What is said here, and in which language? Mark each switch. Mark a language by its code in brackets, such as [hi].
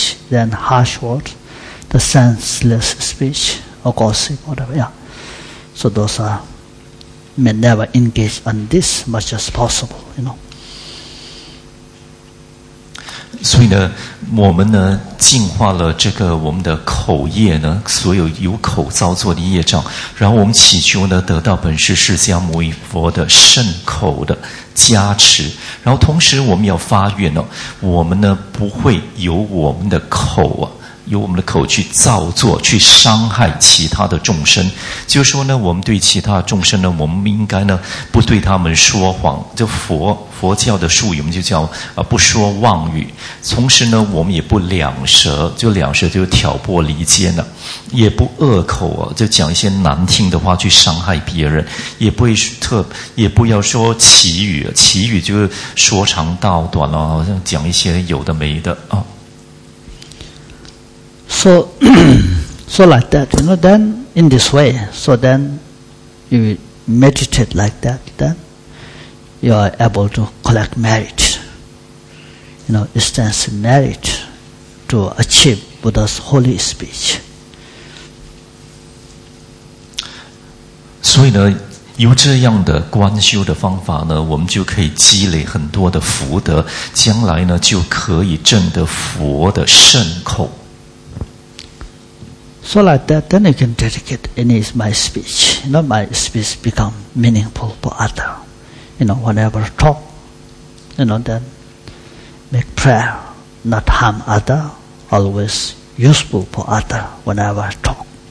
[en] Then harsh words, the senseless speech or gossip, whatever. Yeah. So those are. May never engage on this much as possible, you know. [zh] 所以呢，我们呢，净化了这个我们的口业呢，所有有口造作的业障，然后我们祈求呢，得到本师释迦牟尼佛的圣口的加持，然后同时我们要发愿呢，我们呢不会由我们的口啊。由我们的口去造作，去伤害其他的众生，就是说呢，我们对其他众生呢，我们应该呢，不对他们说谎。就佛教的术语，我们就叫不说妄语。同时呢，我们也不两舌，就两舌就挑拨离间了，也不恶口啊，就讲一些难听的话去伤害别人，也不要说绮语，绮语就是说长道短了，好像讲一些有的没的啊。 [en] So like that, you know, then in this way, so then you meditate like that, then you are able to collect merit, you know, extensive merit to achieve Buddha's holy speech. [zh] 所以呢，由这样的观修的方法呢，我们就可以积累很多的福德，将来呢就可以证得佛的圣口。 [en] So like that, then you can dedicate any of my speech. You know, my speech become meaningful for other. You know, whenever talk, you know, then make prayer, not harm other, always useful for other whenever talk.